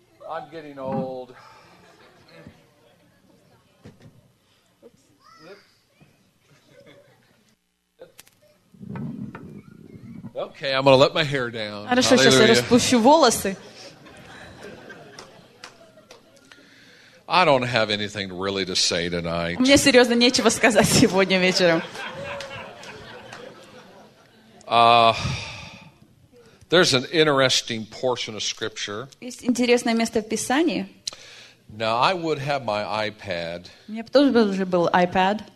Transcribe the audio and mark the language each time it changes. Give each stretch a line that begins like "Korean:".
English: I'm getting old. Okay, I'm gonna let my hair down.
Russian: Хорошо, сейчас я распущу волосы.
English: I don't have anything really to say tonight.
Russian: Мне серьезно нечего сказать сегодня вечером.
English: There's an interesting portion of scripture.
Russian: Есть интересное место в Писании.
English: Now I would have my iPad.
Russian: Мне бы тоже был iPad.